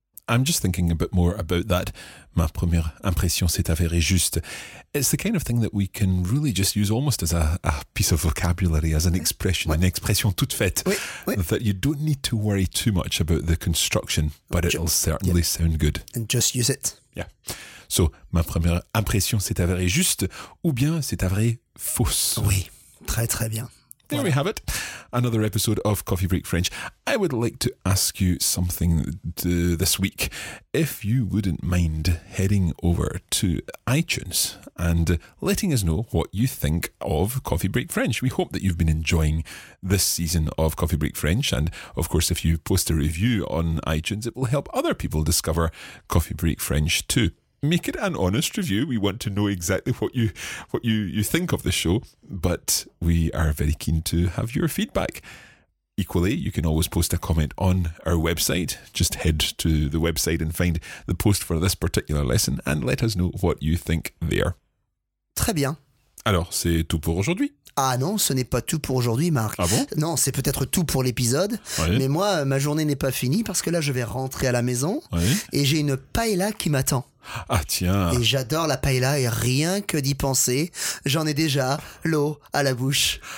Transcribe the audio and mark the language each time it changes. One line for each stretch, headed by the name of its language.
English: I'm just thinking a bit more about that.
French: Ma première impression s'est avérée juste.
English: It's the kind of thing that we can really just use almost as a piece of vocabulary, as an expression, an expression
French: toute faite,
English: that you don't need to worry too much about the construction, but it'll certainly sound good. And just use it. Yeah.
French: So, ma première impression s'est avérée juste, ou bien s'est avérée fausse. Oui, très très bien.
English: There we have it. Another episode of Coffee Break French. I would like to ask you something this week. If you wouldn't mind heading over to iTunes and letting us know what you think of Coffee Break French. We hope that you've been enjoying this season of Coffee Break French. And of course, if you post a review on iTunes, it will help other people discover Coffee Break French too. Make it an honest review. We want to know exactly what you think of the show, but we are very keen to have your feedback. Equally, you can always post a comment on our website. Just head to the website and find the post for this particular lesson and let us know what you think there.
French: Très bien. Alors, c'est tout pour aujourd'hui. Ah non, ce n'est pas tout pour aujourd'hui, Marc. Ah bon? Non, c'est peut-être tout pour l'épisode. Oui. Mais moi, ma journée n'est pas finie parce que là, je vais rentrer à la maison et j'ai une paella qui m'attend. Ah tiens. Et j'adore la paella et rien que d'y penser, j'en ai déjà l'eau à la bouche.